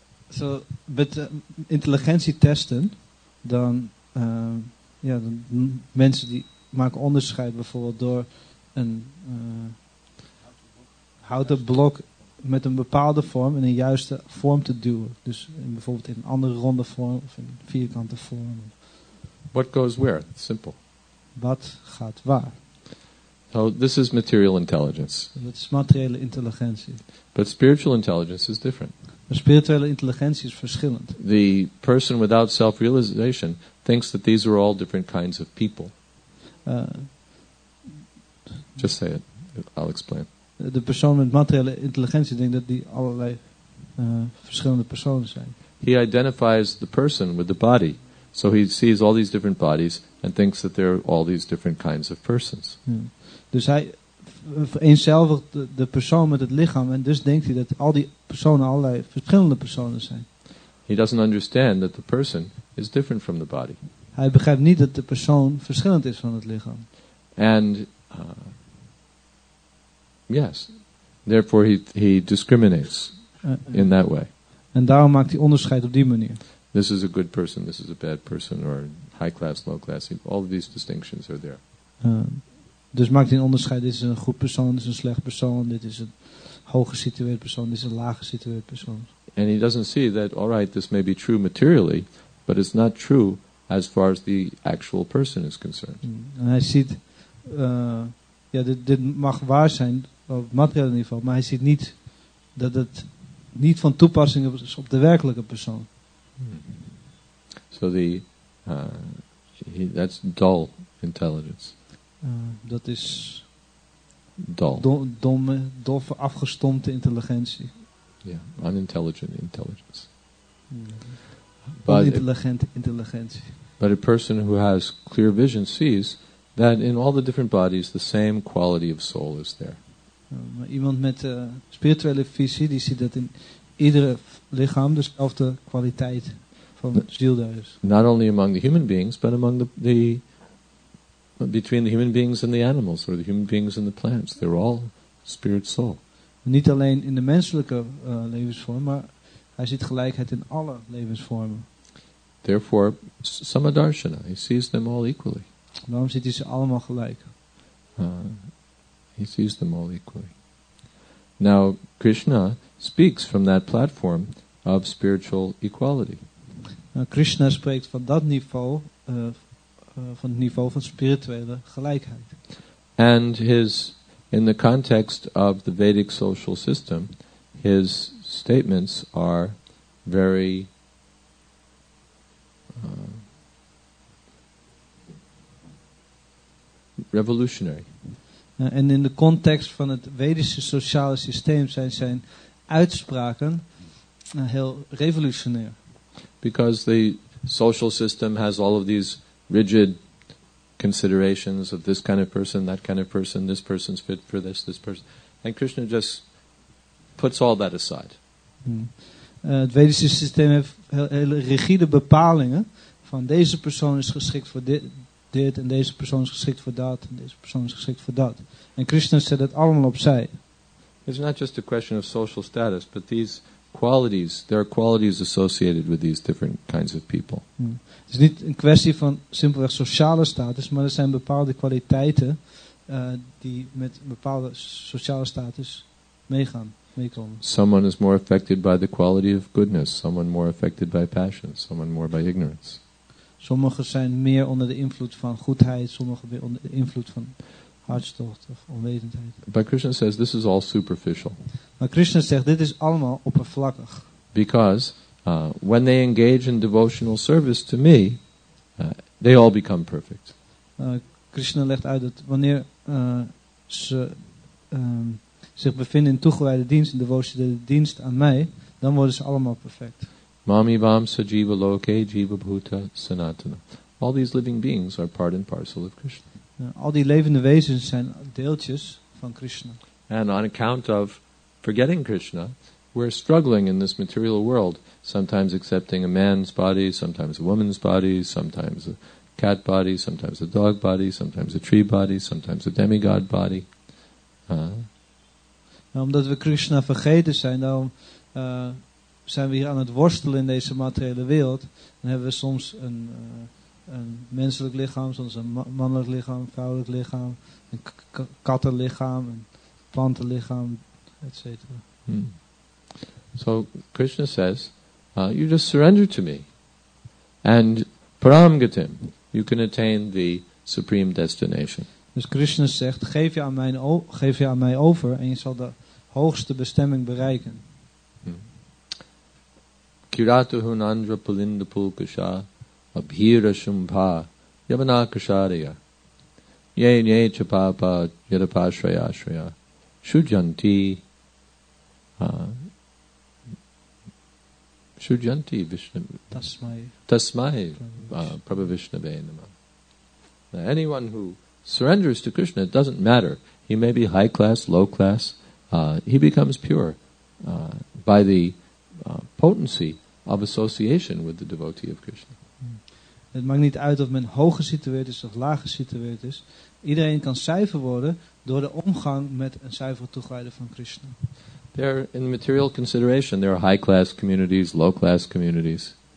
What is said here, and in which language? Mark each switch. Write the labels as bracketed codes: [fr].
[nl] So, met intelligentie testen, dan, ja, dan mensen die maken onderscheid bijvoorbeeld door een houten blok met een bepaalde vorm in een juiste vorm te duwen. Dus in, bijvoorbeeld in een andere ronde vorm of in een vierkante vorm. [en] What goes where? Simple. [nl] Wat gaat waar? [en] So this is material intelligence. [nl] Dat is materiële intelligentie. [en] But spiritual intelligence is different. [nl] Maar spirituele intelligentie is verschillend. [en] The person without self-realization thinks that these are all different kinds of people. Just say it. I'll explain. [nl] De persoon met materiële intelligentie denkt dat die allerlei verschillende personen zijn. [en] He identifies the person with the body. So he sees all these different bodies and thinks that there are all these different kinds of persons. Yeah. [nl] Dus hij vereenzelvigt de persoon met het lichaam en dus denkt hij dat al die personen allerlei verschillende personen zijn. [en] He doesn't understand that the person is different from the body. [nl] Hij begrijpt niet dat de persoon verschillend is van het lichaam. [en] And yes, therefore he discriminates in that way. [nl] En daarom maakt hij onderscheid op die manier. [en] This is a good person, this is a bad person, or high class, low class. All of these distinctions are there. [nl] Dus maakt hij een onderscheid, dit is een goed persoon, dit is een slecht persoon, dit is een hoog gesitueerd persoon, dit is een laag gesitueerd persoon. [en] And he doesn't see that, all right, this may be true materially, but it's not true as far as the actual person is concerned. [nl] En hij ziet, dit mag waar zijn op materiële niveau, maar hij ziet niet dat het niet van toepassing is op de werkelijke persoon. [en] So the, that's dull intelligence. [nl] Dat is dol. Domme, doffe, afgestompte intelligentie. [en] Ja, yeah, unintelligent intelligence. But intelligentie. But a person who has clear vision sees that in all the different bodies, the same quality of soul is there. [nl] Maar iemand met spirituele visie, die ziet dat in iedere lichaam dezelfde kwaliteit van ziel daar is. [en] Not only among the human beings, but among the between the human beings and the animals, or the human beings and the plants, they're all spirit soul. [nl] Niet alleen in de menselijke levensvorm, maar hij ziet gelijkheid in alle levensvormen. [en] Therefore, samadarshana, he sees them all equally. [nl] Waarom ziet hij ze allemaal gelijk? [en] He sees them all equally. Now, Krishna speaks from that platform of spiritual equality. [nl] Now, Krishna spreekt van dat niveau, van het niveau van spirituele gelijkheid. [en] And his, in the context of the Vedic social system, his statements are very revolutionary. [nl] En in de context van het Vedische sociale systeem zijn zijn uitspraken heel revolutionair. [en] Because the social system has all of these rigid considerations of this kind of person, that kind of person, this person's fit for this, this person. And Krishna just puts all that aside. [nl] Het Vedische systeem heeft hele rigide bepalingen van deze persoon is geschikt voor dit. Dit en deze persoon is geschikt voor dat en deze persoon is geschikt voor dat. En Krishna zet het allemaal opzij. [en] It's not just a question of social status, but these qualities, there are qualities associated with these different kinds of people. [nl] Het is niet een kwestie van simpelweg sociale status, maar er zijn bepaalde kwaliteiten die met bepaalde sociale status meegaan, meekomen. [en] Someone is more affected by the quality of goodness, someone more affected by passion, someone more by ignorance. [nl] Sommigen zijn meer onder de invloed van goedheid, sommigen weer onder de invloed van hartstocht of onwetendheid. [en] But Krishna says this is all superficial. [nl] Maar Krishna zegt dit is allemaal oppervlakkig. [en] Because when they engage in devotional service to me, they all become perfect. [nl] Krishna legt uit dat wanneer ze zich bevinden in toegewijde dienst, in devotionele dienst aan mij, dan worden ze allemaal perfect. [sa] Mami vamsa jiva loke jiva bhuta sanatana. [en] All these living beings are part and parcel of Krishna. [nl] Al die levende wezens zijn deeltjes van Krishna. [en] And on account of forgetting Krishna, we're struggling in this material world, sometimes accepting a man's body, sometimes a woman's body, sometimes a cat body, sometimes a dog body, sometimes a tree body, sometimes a demigod body. [nl] Omdat we Krishna vergeten zijn, daarom zijn we hier aan het worstelen in deze materiële wereld. Dan hebben we soms een menselijk lichaam, soms een mannelijk lichaam, een vrouwelijk lichaam, een kattenlichaam, een plantenlichaam, et cetera. [en] So Krishna says, you just surrender to me. And paramgatim, you can attain the supreme destination. [nl] Dus Krishna zegt, geef je aan mij over en je zal de hoogste bestemming bereiken. [sa] Kirato hunandra palinda pulkasha abhira shumpa yavana kashariya ye ne chapapa yadapashraya shraya shujanti shujanti vishnu tasmai prabhavishnave nama. [en] Now, anyone who surrenders to Krishna, it doesn't matter, he may be high class, low class, he becomes pure by the potency of association with the devotee of Krishna. [nl] Het maakt niet uit of men hoog gesitueerd is of laag gesitueerd is. Iedereen kan zuiver worden door de omgang met een zuiver toegewijde van Krishna. [en] There, in material consideration, there are high-class communities, low-class communities.